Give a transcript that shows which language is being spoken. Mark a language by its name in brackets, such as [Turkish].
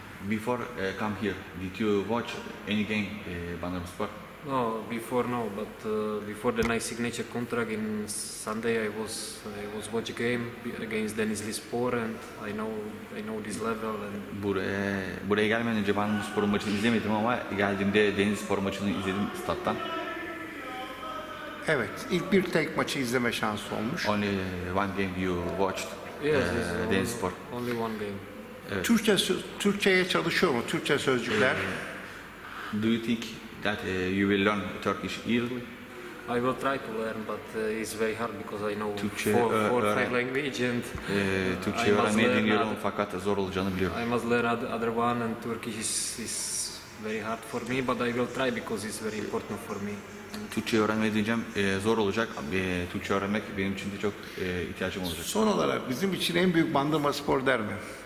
[English] Before come here, did you watch any game Bandırma Spor? No, before no, but before the nice signature contract in Sunday, I was watch a game against Denizli Spor and I know this level and. [Turkish] Buraya gelmeden önce Bandırma Spor'un maçını izlemedim ama geldiğimde Denizli Spor maçını izledim stat'tan. Evet, ilk bir tek maçı izleme şansı olmuş. [English] Only one game you watched. Yes, yes. Only one game. [Turkish] Evet. Türkçe'ye çalışıyor mu? Türkçe sözcükler. [English] Do you think that you will learn Turkish easily? I will try to learn, but it's very hard because I know four five languages. [Turkish] Türkçe öğrenmeyi deniyorum fakat zor olacağını biliyorum. [English] I must learn other one and Turkish is very hard for me, but I will try because it's very important for me. [Turkish] Türkçe öğrenmeye deneyeceğim. Zor olacak. Türkçe öğrenmek benim için de çok ihtiyacım olacak. Son olarak bizim için en büyük Bandırma Spor der mi?